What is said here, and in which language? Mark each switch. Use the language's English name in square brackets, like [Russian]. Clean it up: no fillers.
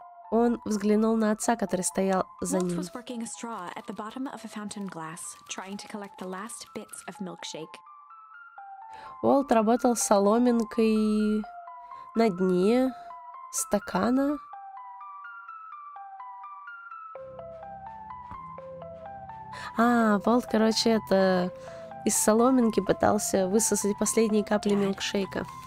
[Russian] Он взглянул на отца, который стоял за ним. [English] Was working a straw at the bottom of a fountain glass, trying to collect the last bits of milkshake. [Russian] Уолт работал соломинкой на дне стакана. А, Уолт, короче, это... из соломинки пытался высосать последние капли милкшейка.